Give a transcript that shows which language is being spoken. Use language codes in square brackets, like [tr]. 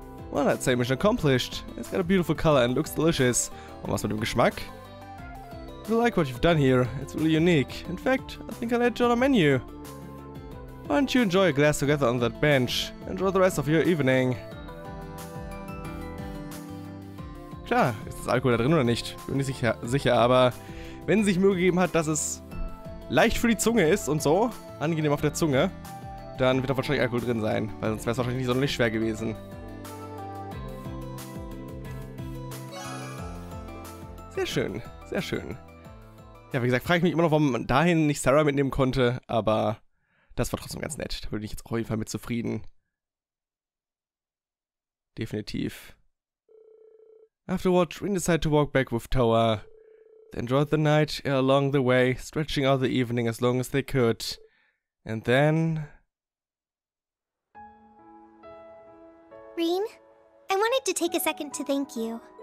[en] Well, that's a mission accomplished. It's got a beautiful color and looks delicious. [de] Und was mit dem Geschmack? [en] I like what you've done here. It's really unique. In fact, I think I'll add you on a menu. Why don't you enjoy a glass together on that bench? Enjoy the rest of your evening. [de] Klar, ist das Alkohol da drin oder nicht? Bin nicht sicher, aber wenn es sich Mühe gegeben hat, dass es leicht für die Zunge ist und so, angenehm auf der Zunge, dann wird da wahrscheinlich Alkohol drin sein, weil sonst wäre es wahrscheinlich nicht sonderlich schwer gewesen. Sehr schön, sehr schön. Ja, wie gesagt, frage ich mich immer noch, warum man dahin nicht Sarah mitnehmen konnte, aber das war trotzdem ganz nett. Da bin ich jetzt auch auf jeden Fall mit zufrieden. Definitiv. [en] Afterward, Rin decided to walk back with Toa. They enjoyed the night along the way, stretching out the evening as long as they could. And then... Rin, I wanted to take a second to thank you.